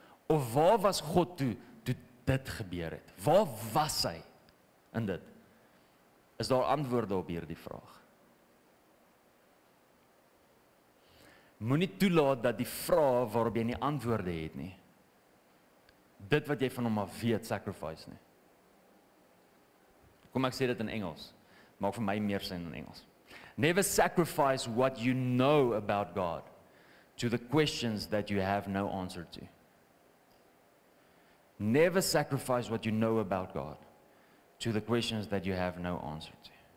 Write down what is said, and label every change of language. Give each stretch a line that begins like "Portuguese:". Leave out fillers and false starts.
Afrikaans: Of waar was God toe dit gebeur het? Waar was hy in dit? Is daar antwoorde op hierdie vraag? Moenie toelaat dat die vraag waarop jy nie antwoorde het nie, dit wat jy van hom af weet, sacrifice nie. Kom, ek sê dit in Engels. Maak vir my meer sin in Engels.
English: Never sacrifice what you know about God to the questions that you have no answer to. Never sacrifice what you know about God to the questions that you have no answer to.